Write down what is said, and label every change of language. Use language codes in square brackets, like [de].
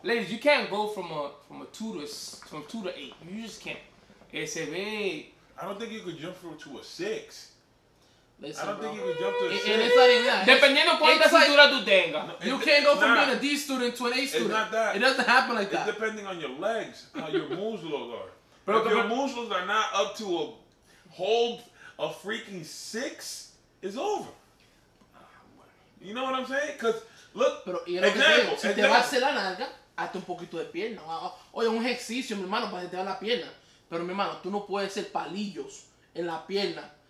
[en] ladies, you can't go from a 2 to 8. You just can't. Ese ve. I don't think you could jump from 2 to a 6. Listen, I don't bro. Think you can jump to a C. [es] Dependiendo cuánta cintura tú tengas. [en] No, you can't go from being a D student to an A student. It's not that. It doesn't happen like it's that. It's depending on your legs, how your muscles are. Pero if your muscles are not up to a hold a freaking six, it's over. You know what I'm saying? Because, look, pero, example. [es] Si te va a hacer la nalga, hazte un poquito de pierna. Oye, un ejercicio, mi hermano, para que te haga la pierna. Pero, mi hermano, tú no puedes hacer palillos en la pierna.